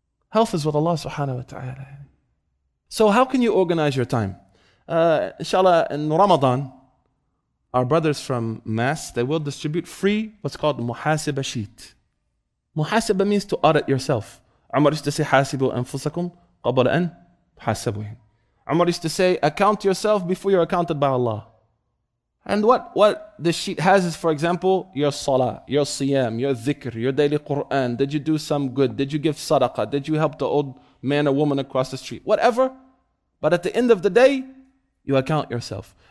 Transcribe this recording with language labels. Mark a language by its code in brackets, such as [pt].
[en] Health is with Allah subhanahu wa ta'ala. So how can you organize your time? Inshallah, in Ramadan, our brothers from Mass, they will distribute free what's called muhasibah sheet. Muhasibah means to audit yourself. [ar] عمر [en] used to say [ar] حاسبوا أنفسكم قبل أن تحاسبوهم. [en] عمر used to say account yourself before you're accounted by Allah. And what the sheet has is, for example, your salah, your siyam, your dhikr, your daily Quran. Did you do some good? Did you give sadaqah? Did you help the old man or woman across the street? Whatever. But at the end of the day, you account yourself.